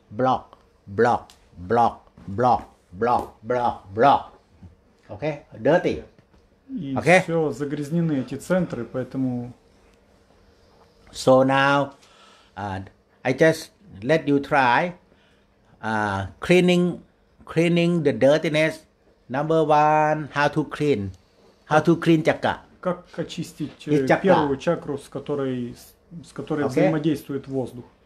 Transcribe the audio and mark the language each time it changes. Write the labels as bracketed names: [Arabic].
[English] Block, block, block, block, block, block, block. Okay? Dirty. [Russian] И [English] okay? [Russian] Все загрязнены эти центры, поэтому... [English] So now, I just let you try cleaning the dirtiness. Number one, how to clean. How to clean chakra. [Russian] Как очистить первую чакру, с которой okay. взаимодействует воздух?